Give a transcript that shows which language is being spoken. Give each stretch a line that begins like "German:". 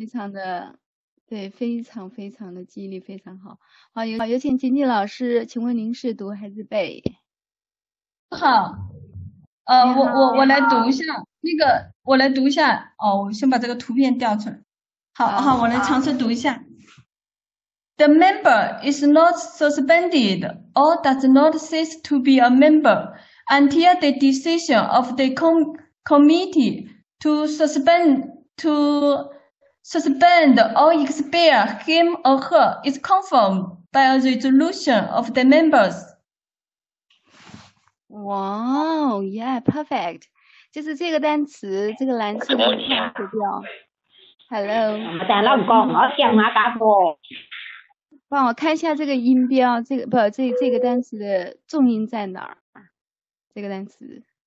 Chinese: 非常的，对，非常非常的记忆力非常好。好，有请锦锦老师，请问您是读还是背？好，我来读一下那个，我来读一下。哦，我先把这个图片调出来。好，我来尝试读一下。
English: The member is not suspended or does not cease to be a member until the decision of the committee to suspend or expel him or her is confirmed by a resolution of the members. Wow, yeah, perfect.
Chinese: 就是这个单词，这个蓝色的单词掉。
English: Hello.
Chinese: 但老公，我想买家伙。帮我看一下这个音标，这个不，这个单词的重音在哪儿？这个单词。